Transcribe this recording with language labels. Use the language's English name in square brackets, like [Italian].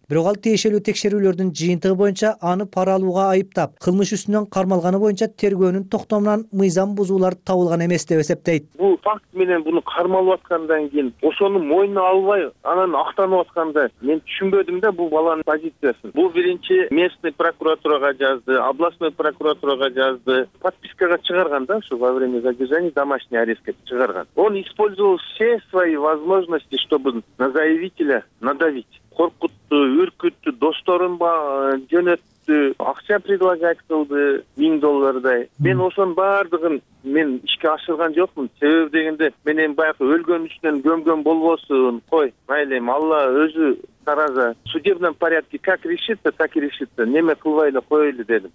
[Kyrgyz] Бирок ал тиешелүү текшерүүлөрдүн жыйынтыгы боюнча аны пара алууга айыптап, кылмыш үстүнөн кармалганы боюнча тергөөнүн токтомунан мыйзам бузуулар табылган эмес деп эсептейт. Бул факт менен буну кармалып аткандан кийин ошону мойнуна албай анан актанып атканда мен түшүнбөдүм да бул баланын позициясын. Бул биринчи местный прокуратурага жазды, областной прокуратурага жазды, подпискага чыгарган да ушу [Russian] во время задержания домашний арест [Kyrgyz] деп чыгарган. [Russian] Он использовал все свои возможности, чтобы на заявителя надавить. [Kyrgyz] Коркутту, үркүттү, досторун жөнөттү, акча предлагать кылды $1000. Мен ошонун баардыгын мен ишке ашырган жокмун. Себеби дегенде мен эми баягы өлгөн үстүнөн көмгөн болбосун, кой майли эми Алла өзү тараза, [Russian] судебном порядке как решится, так и решится, [Kyrgyz] неме кылбай эле коелу дедим.